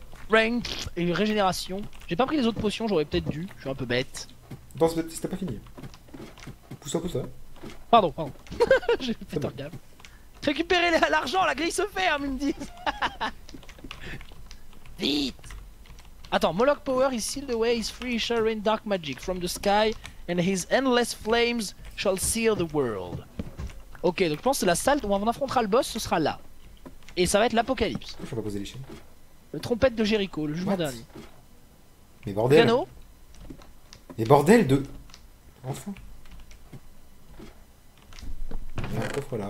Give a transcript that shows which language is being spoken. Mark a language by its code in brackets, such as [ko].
[fr] Rank et régénération. J'ai pas pris les autres potions, j'aurais peut-être dû, je suis un peu bête. Attends, c'était pas fini. Pousse un peu ça. Pardon, pardon. J'ai fait putain de gaffe. Récupérez l'argent, la grille se ferme, ils me disent. Vite. [en] Attends, Moloch Power is sealed away, his free sharing dark magic from the sky, and his endless flames shall seal the world. [fr] Ok, donc je pense que c'est la salle où on affrontera le boss, ce sera là. Et ça va être l'apocalypse. Faut pas poser les chaînes. Le trompette de Jéricho, le jugement dernier. Mais bordel. Piano. Et bordel de... Enfin. Il y a un coffre là.